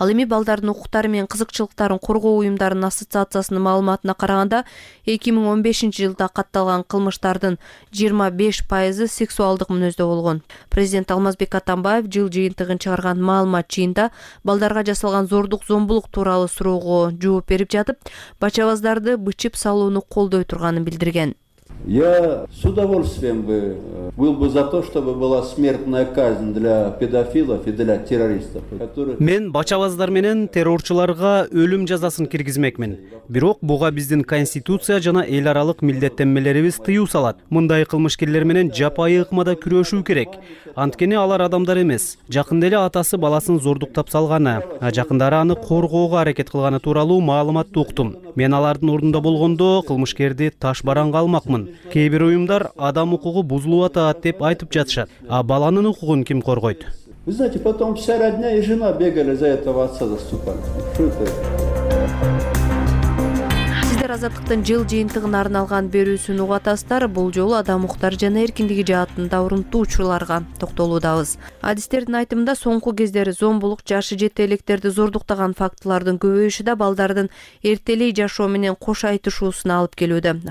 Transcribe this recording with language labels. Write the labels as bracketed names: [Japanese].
[Kyrgyz] Ал эми балдардын укуктары менен кызыкчылыктарын коргоо уюмдарынын ассоциациясынын маалыматына караганда, 2015 жылда катталган кылмыштардын 25% сексуалдык мүнөздө болгон. Президент Алмазбек Атамбаев жыл жыйынтыгын чыгарган маалымат жыйында балдарга жасалган зордук-зомбулук тууралуу суроого жооп берип жатып, бачабаздарды бычып салууну колдой турганын билдирген. [Russian] Я с удовольствием был бы за то, чтобы была смертная казнь для педофилов и для террористов. [Kyrgyz] Мен бачабаздар менен террорчуларга өлүм жазасын киргизмекмин. Бирок буга биздин конституция жана эл аралык милдеттенмелерибиз тыюу салат. Мындай кылмышкерлер менен жапайы ыкмада күрөшүү керек. Анткени алар адамдар эмес. Жакында эле атасы баласын зордуктап салганы, а жакындары аны коргоого аракет кылганы тууралуу маалыматты уктум. Мен алардын ордунда болгондо кылмышкерди таш баранга алмак. Кээ бир уюмдар адам укугу бузулуп атат деп айтып жатышат. А баланын укугун ким коргойт? [Russian] Вы знаете, потом вся родня и жена бегали за этого отца заступать. [Kyrgyz] Сиздер азаттыктын жыл жыйынтыгына арналган берүүсүн угатасыздар. Бул жолу адам укуктары жана эркиндиги жаатында урунтуу учурларга токтолуудабыз. Адистердин айтымында соңку кездери зомбулук, жашы жете электерди зордуктаган фактылардын көбөйүшү да балдардын эртелей жашоо менен кош айтышуусуна алып келүүдө.